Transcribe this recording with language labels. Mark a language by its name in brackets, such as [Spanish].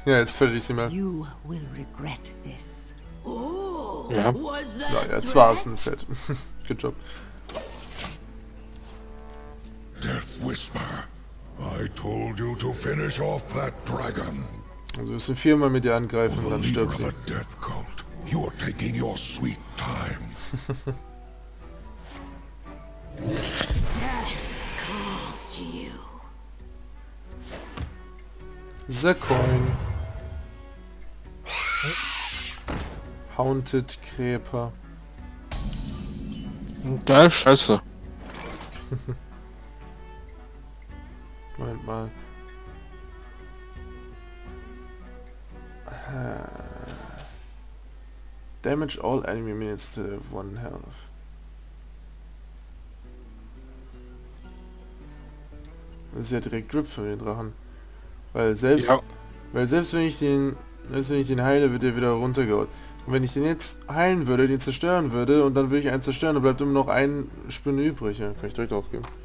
[German] Ja, jetzt verliere ich sie mal. [English] You will regret this. [German] Oh, ja. [English] Was that a threat? [German] Ja, jetzt war es ein Threat. [English] Good job. Death Whisper. I told you to finish off that dragon. [German] Also müssen viermal mit ihr angreifen, dann stirbt sie. [English] Death Cult. You're taking your sweet time. The Coin. Haunted Creeper. [German] Geil, scheiße. Moment mal. [English] Damage all enemy minions to one health. [German] Das ist ja direkt Drip von den Drachen. Weil selbst wenn ich den heile, wird er wieder runtergehaut. Und wenn ich den jetzt heilen würde, den zerstören würde, und dann würde ich einen zerstören, dann bleibt immer noch ein Spinne übrig. Ja, kann ich direkt aufgeben.